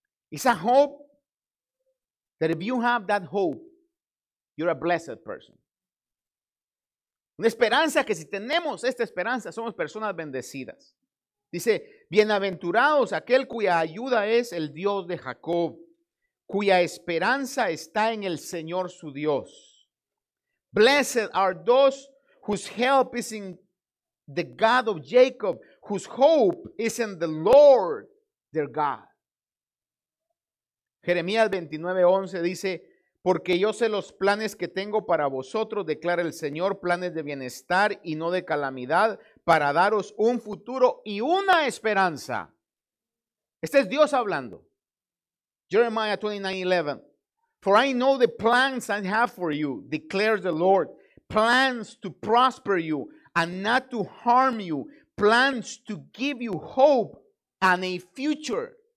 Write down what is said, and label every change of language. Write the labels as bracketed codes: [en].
[en] It's a hope that if you have that hope, you're a blessed person. [es] Una esperanza que si tenemos esta esperanza, somos personas bendecidas. Dice, bienaventurados aquel cuya ayuda es el Dios de Jacob, cuya esperanza está en el Señor su Dios. [en] Blessed are those whose help is in the God of Jacob, whose hope is in the Lord their God. [es] Jeremías 29:11 dice, porque yo sé los planes que tengo para vosotros, declara el Señor, planes de bienestar y no de calamidad, para daros un futuro y una esperanza. Este es Dios hablando. Jeremiah 29:11. [en] For I know the plans I have for you, declares the Lord, plans to prosper you and not to harm you, plans to give you hope and a future.